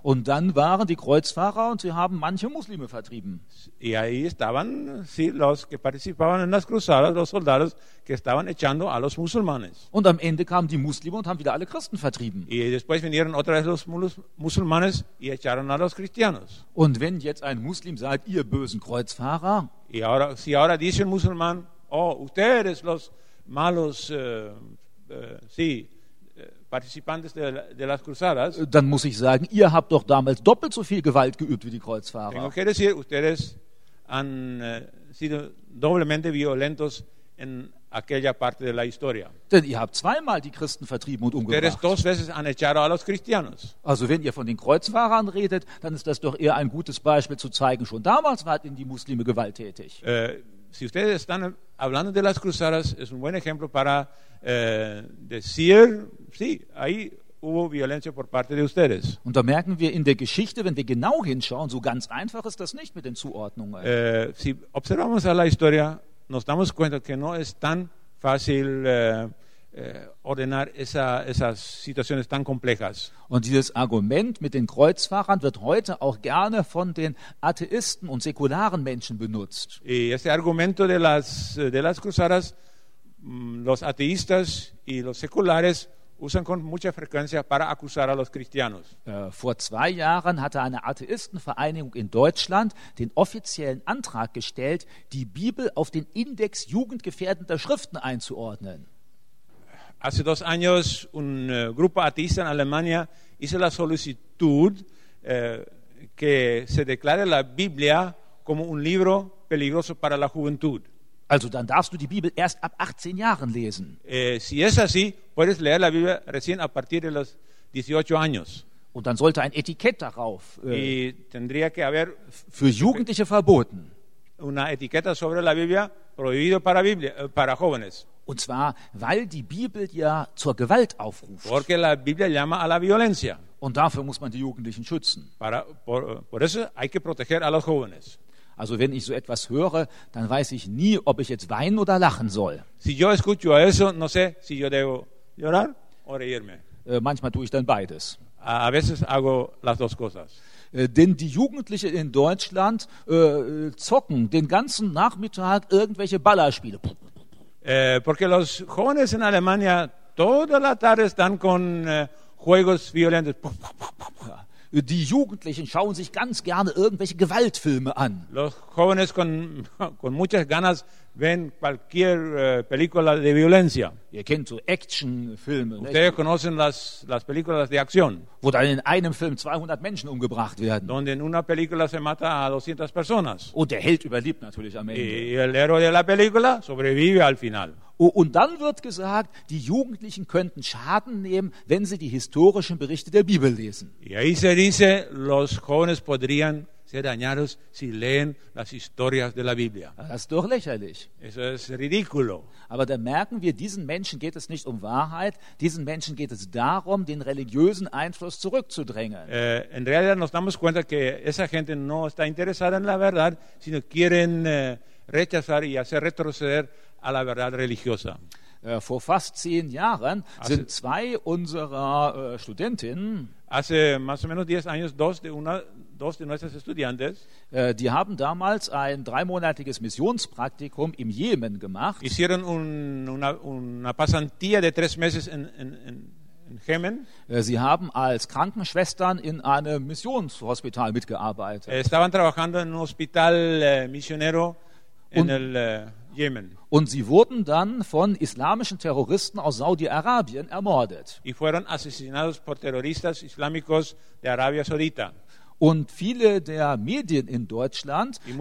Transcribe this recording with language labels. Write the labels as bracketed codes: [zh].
[de] Und dann waren die Kreuzfahrer und sie haben manche Muslime vertrieben. [es] Y ahí estaban, sí, los que participaban en las cruzadas, los soldados que estaban echando a los musulmanes. [de] Und am Ende kamen die Muslime und haben wieder alle Christen vertrieben. [es] Y después vinieron otra vez los musulmanes y echaron a los cristianos. [de] Und wenn jetzt ein Muslim sagt, ihr bösen Kreuzfahrer. [es] Y ahora, si ahora dice un musulmán, oh, ustedes los malos, sí, participantes de las cruzadas, [de] dann muss ich sagen, ihr habt doch damals doppelt so viel Gewalt geübt wie die Kreuzfahrer. [es] Tengo que decir, ustedes han sido doblemente violentos en aquella parte de la historia. [de] Denn ihr habt zweimal die Christen vertrieben und umgebracht. [es] Ustedes dos veces han echado a los cristianos. [de] Also wenn ihr von den Kreuzfahrern redet, dann ist das doch eher ein gutes Beispiel zu zeigen, schon damals waren die Muslime gewalttätig. [es] Si ustedes están hablando de las cruzadas, es un buen ejemplo para decir, sí, ahí hubo violencia por parte de ustedes. [de] Und da merken wir in der Geschichte, wenn wir genau hinschauen, so ganz einfach ist das nicht mit den Zuordnungen. [es] Si observamos a la historia, nos damos cuenta que no es tan fácil ordenar esas situaciones tan complejas. [de] Und dieses Argument mit den Kreuzfahrern wird heute auch gerne von den Atheisten und säkularen Menschen benutzt. [es] Y ese argumento de las cruzadas, los ateístas y los seculares usan con mucha frecuencia para acusar a los cristianos. [de] Vor zwei Jahren hatte eine Atheistenvereinigung in Deutschland den offiziellen Antrag gestellt, die Bibel auf den Index jugendgefährdender Schriften einzuordnen. [es] Hace dos años un grupo ateísta en Alemania hizo la solicitud que se declare la Biblia como un libro peligroso para la juventud. [de] Also dann darfst du die Bibel erst ab 18 Jahren lesen. [es] Si es así, puedes leer la Biblia recién a partir de los 18 años. [de] Und dann sollte ein Etikett darauf [es] y tendría que haber [de] für Jugendliche verboten. [es] Una etiqueta sobre la Biblia prohibido para Biblia, para jóvenes. [de] Und zwar, weil die Bibel ja zur Gewalt aufruft. [es] Porque la Biblia llama a la violencia. [de] Und dafür muss man die Jugendlichen schützen. [es] Por eso hay que proteger a los jóvenes. [de] Also wenn ich so etwas höre, dann weiß ich nie, ob ich jetzt weinen oder lachen soll. [es] Si yo escucho eso, no sé si yo debo llorar o reírme. [de] Manchmal tue ich dann beides. [es] A veces hago las dos cosas. [de] Denn die Jugendlichen in Deutschland zocken den ganzen Nachmittag irgendwelche Ballerspiele. [es] Porque los jóvenes en Alemania toda la tarde están con juegos violentos. [de] Die Jugendlichen schauen sich ganz gerne irgendwelche Gewaltfilme an. [es] Los jóvenes con muchas ganas ven cualquier película de violencia. [de] Ihr kennt so Actionfilme. [es] Ustedes conocen las películas de acción. [de] Wo dann in einem Film 200 Menschen umgebracht werden. [es] Donde en una película se mata a 200 personas. [de] Und der Held überlebt natürlich am Ende. [es] Y el héroe de la película sobrevive al final. [de] Und dann wird gesagt, die Jugendlichen könnten Schaden nehmen, wenn sie die historischen Berichte der Bibel lesen. [es] Y ahí se dice, los jóvenes podrían ser dañados si leen las historias de la Biblia. [de] Das ist doch lächerlich. [es] Eso es ridículo. [de] Aber da merken wir, diesen Menschen geht es nicht um Wahrheit, diesen Menschen geht es darum, den religiösen Einfluss zurückzudrängen. [es] En realidad nos damos cuenta que esa gente no está interesada en la verdad, sino quieren rechazar y hacer retroceder a la verdad religiosa. [de] Vor fast 10 Jahren sind zwei unserer Studentinnen, [es] hace más o menos 10 años dos de nuestras estudiantes, [de] die haben damals ein dreimonatiges Missionspraktikum im Jemen gemacht. [es] Hicieron una pasantía de 3 meses in Jemen. [de] Sie haben als Krankenschwestern in einem Missionshospital mitgearbeitet. [es] Estaban trabajando en un hospital misionero en el Jemen. [de] Und sie wurden dann von islamischen Terroristen aus Saudi-Arabien ermordet. [es] Y fueron asesinados por terroristas islámicos de Arabia Saudita. [de] Und viele der Medien in Deutschland,